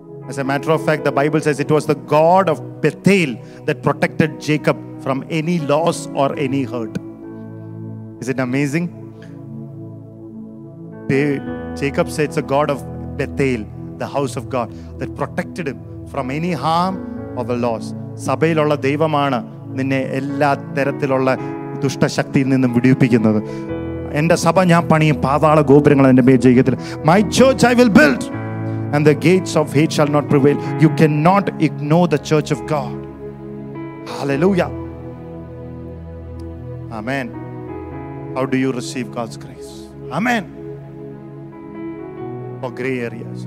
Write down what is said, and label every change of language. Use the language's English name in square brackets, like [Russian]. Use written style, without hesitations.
[English] As a matter of fact, the Bible says it was the God of Bethel that protected Jacob from any loss or any hurt. Is it amazing? Jacob said it's the God of Bethel, the house of God, that protected him from any harm or the loss. [Malayalam] സഭയിലുള്ള ദൈവമാണ് നിന്നെ എല്ലാ തരത്തിലുള്ള ദുഷ്ടശക്തിയിൽ നിന്നും വിടുവിപ്പിക്കുന്നത്. എന്റെ സഭ ഞാൻ പണിയും, പാതാള ഗോപുരങ്ങൾ എന്റെ പേര് ജയിക്കത്തില്ല. [English] My church I will build. And the gates of hate shall not prevail. You cannot ignore the church of God. Hallelujah. Amen. How do you receive God's grace? Amen. For gray areas.